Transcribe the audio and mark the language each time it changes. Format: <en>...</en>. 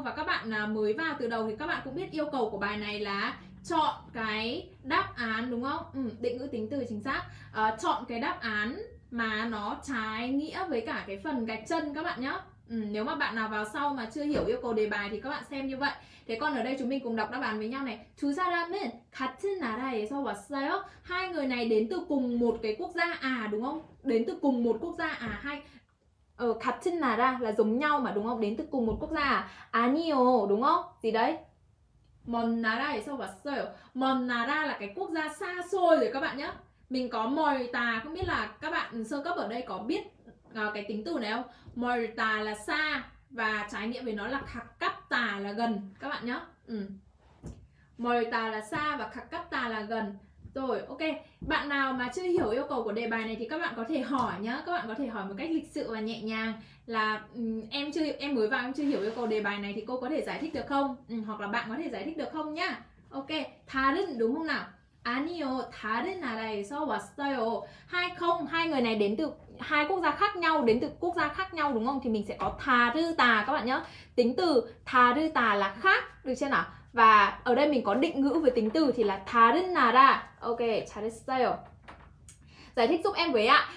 <vi>Và các bạn mới vào từ đầu thì các bạn cũng biết yêu cầu của bài này là chọn cái đáp án đúng không? Định ngữ tính từ chính xác. Chọn cái đáp án mà nó trái nghĩa với cả cái phần gạch chân các bạn nhé. Nếu mà bạn nào vào sau mà chưa hiểu yêu cầu đề bài thì các bạn xem như vậy. Thế còn ở đây chúng mình cùng đọc đáp án với nhau này.</vi> <ko>두 사람은 같은 나라에서 왔어요.</ko> <vi>Hai người này đến từ cùng một cái quốc gia à đúng không? Đến từ cùng một quốc gia à hay</vi> <ko>같은 나라</ko> <vi>là giống nhau mà đúng không? Đến từ cùng một quốc gia à? 아니요 đúng không? Gì đấy?</vi> <ko>먼 나라에서 왔어요.</ko> <vi>먼 나라 là cái quốc gia xa xôi rồi các bạn nhé. Mình có 멀다, không biết là các bạn sơ cấp ở đây có biết cái tính từ này không? 멀다 là xa và trái nghĩa với nó là 가깝다 là gần các bạn nhé. 멀다 là xa và 가깝다 là gần. Rồi, ok. Bạn nào mà chưa hiểu yêu cầu của đề bài này thì các bạn có thể hỏi nhá. Các bạn có thể hỏi một cách lịch sự và nhẹ nhàng là em chưa hiểu yêu cầu đề bài này thì cô có thể giải thích được không? Hoặc là bạn có thể giải thích được không nhá. Ok, 다른 đúng không nào?</vi> <ko>아니요, 다른 나라에서 왔어요.</ko> <vi>Hai không, hai người này đến từ hai quốc gia khác nhau, đến từ quốc gia khác nhau đúng không? Thì mình sẽ có 다르다 các bạn nhá. Tính từ 다르다 là khác, được chưa nào? Và ở đây mình có định ngữ với tính từ thì là 다른 나라. Ok,</vi> <ko>잘했어요.</ko> <vi>Giải thích giúp em với ạ.</vi>